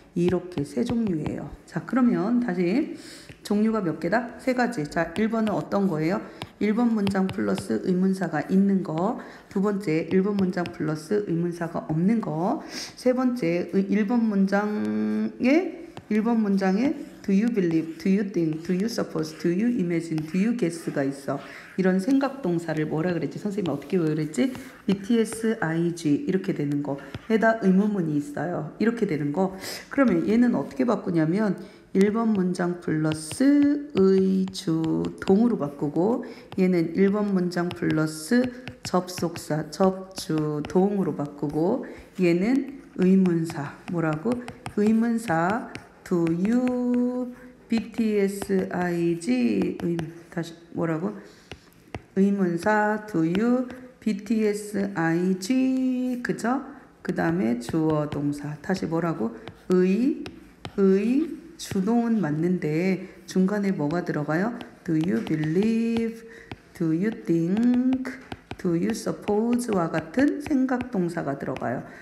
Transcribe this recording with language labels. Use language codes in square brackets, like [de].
[ko] 이렇게 세 종류예요. 자, 그러면 다시 종류가 몇 개다? 세 가지. 자, 1번은 어떤 거예요? 1번 문장 플러스 의문사가 있는 거. 두 번째, 1번 문장 플러스 의문사가 없는 거. 세 번째, 1번 문장에 1번 문장에 [en] Do you believe, do you think, do you suppose, do you imagine, do you guess가 있어. [ko] 이런 생각 동사를 뭐라 그랬지? 선생님이 어떻게 외우라 그랬지? BTSIG 이렇게 되는 거. 에다 의문문이 있어요. 이렇게 되는 거. 그러면 얘는 어떻게 바꾸냐면 1번 문장 플러스 의주 동으로 바꾸고 얘는 1번 문장 플러스 접속사 접주 동으로 바꾸고 얘는 의문사 뭐라고? 의문사 do you BTSIG 다시 뭐라고? 의문사 do you BTSIG 그죠? 그 다음에 주어 동사 다시 뭐라고? 의 주동은 맞는데 중간에 뭐가 들어가요? [en] Do you believe? Do you think? Do you suppose? [ko] 와 같은 생각 동사가 들어가요.